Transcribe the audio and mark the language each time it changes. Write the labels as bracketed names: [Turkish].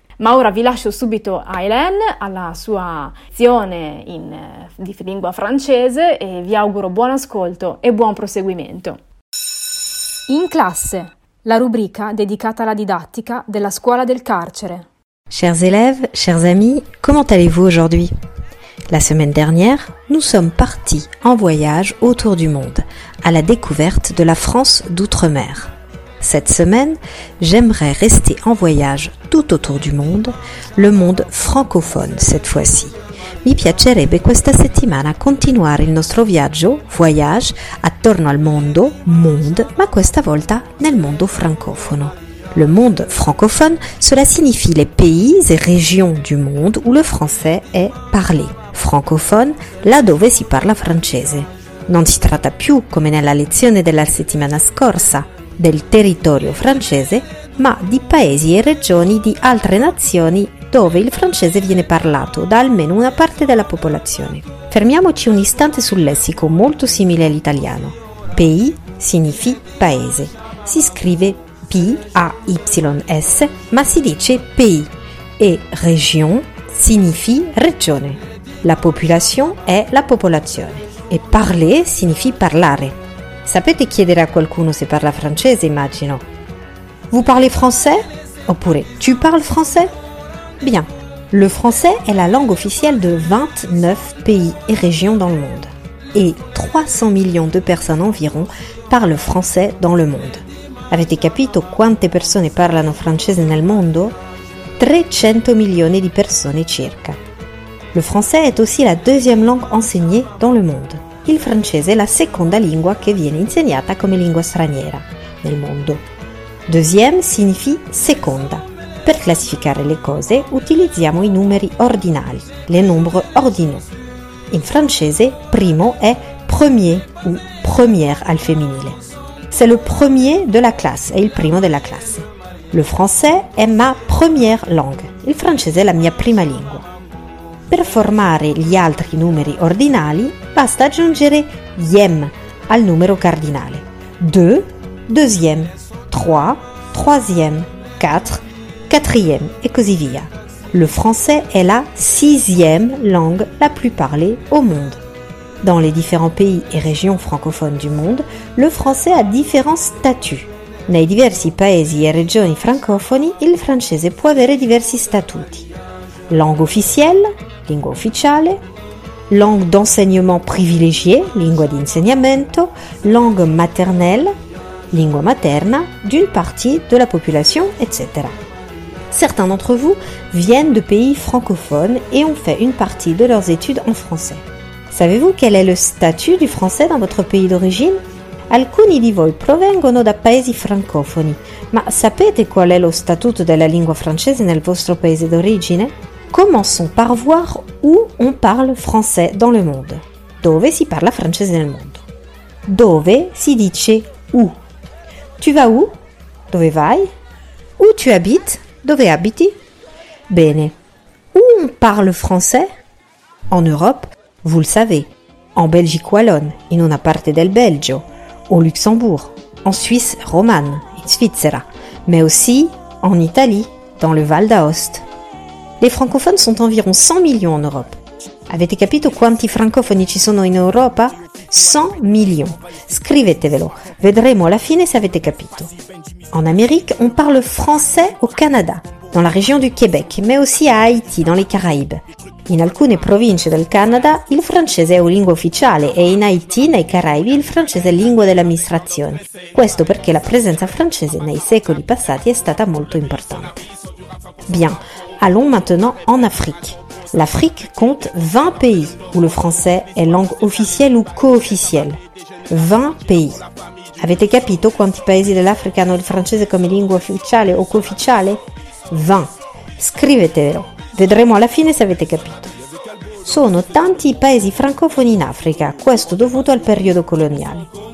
[Italian] Ma ora vi lascio subito a Hélène, alla sua lezione in di lingua francese e vi auguro buon ascolto e buon proseguimento. In classe, la rubrica dedicata alla didattica della scuola del carcere. [French] Chers élèves, chers amis, comment allez-vous aujourd'hui? La semaine dernière, nous sommes partis en voyage autour du monde, à la découverte de la France d'outre-mer. Cette semaine, j'aimerais rester en voyage tout autour du monde, le monde francophone cette fois-ci. [Italian] Mi piacerebbe questa settimana continuare il nostro viaggio, voyage, attorno al mondo, monde, ma questa volta nel mondo francophono. [French] Le monde francophone, cela signifie les pays et régions du monde où le français est parlé. [Italian] Francophone, là dove si parla francese. Non si tratta più, come nella lezione della settimana scorsa, del territorio francese, ma di paesi e regioni di altre nazioni dove il francese viene parlato da almeno una parte della popolazione. Fermiamoci un istante sul lessico molto simile all'italiano. Pays significa paese. Si scrive P-A-Y-S, ma si dice pays. E région significa regione. La population è la popolazione. E parler significa parlare. Sapete chiedere a qualcuno se parla francese, immagino. [French] Vous parlez français? [Italian] Oppure, [French] tu parles français? Bien. Le français est la langue officielle de 29 pays et régions dans le monde. Et 300 millions de personnes environ parlent français dans le monde. [Italian] Avete capito quante persone parlano francese nel mondo? 300 milioni di persone circa. [French] Le français est aussi la deuxième langue enseignée dans le monde. [Italian] Il francese è la seconda lingua che viene insegnata come lingua straniera nel mondo. Deuxième significa seconda. Per classificare le cose utilizziamo i numeri ordinali, [French] les nombres ordinaux. [Italian] In francese, primo è premier ou première al femminile. [French] c'est le premier de la classe, [Italian] è il primo della classe. [French] Le français [Italian] è [French] ma première langue, [Italian] il francese è la mia prima lingua. Per formare gli altri numeri ordinali, basta aggiungere iem al numero cardinale. 2, deuxième, 3, troisième, 4, quatrième e così via. [French] Le français est la sixième langue la plus parlée au monde. Dans les différents pays et régions francophones du monde, le français a différents statuts. [Italian] Nei diversi paesi e regioni francofoni, il francese può avere diversi statuti. [French] Langue officielle, [Italian] lingua ufficiale, [French] langue d'enseignement privilégiée, [Italian] lingua di insegnamento, [French] langue maternelle, [Italian] lingua materna, [French] d'une partie de la population, etc. Certains d'entre vous viennent de pays francophones et ont fait une partie de leurs études en français. Savez-vous quel est le statut du français dans votre pays d'origine? [Italian] Alcuni di voi provengono da paesi francofoni, ma sapete qual è lo statuto della lingua francese nel vostro paese d'origine? [French] Commençons par voir où on parle français dans le monde. [Italian] Dove si parla francese nel mondo? Dove si dice où? [French] Tu vas où? [Italian] Dove vai? [French] Où tu habites? [Italian] Dove abiti? Bene. [French] Où on parle français? En Europe, vous le savez. En Belgique wallonne, [Italian] in una parte del Belgio. [French] Au Luxembourg. En Suisse romane, [Italian] in Svizzera. [French] Mais aussi en Italie, dans le Val d'Aoste. Les francophones sont environ 100 millions en Europe. [Italian] Avete capito quanti francofoni ci sono in Europa? 100 millions. Scrivetevelo. Vedremo alla fine se avete capito. [French] En Amérique, on parle français au Canada, dans la région du Québec, mais aussi à Haïti, dans les Caraïbes. [Italian] In alcune province del Canada, il francese è una lingua ufficiale e in Haiti, nei Caraibi, il francese è lingua dell'amministrazione. Questo perché la presenza francese nei secoli passati è stata molto importante. [French] Bien, allons maintenant en Afrique. L'Afrique compte 20 pays où le français est langue officielle ou co-officielle. 20 pays. [Italian] Avete capito quanti paesi dell'Africa hanno il francese come lingua ufficiale o co-officiale? 20. Scrivetelo. Vedremo alla fine se avete capito. Sono tanti i paesi francofoni in Africa, questo dovuto al periodo coloniale.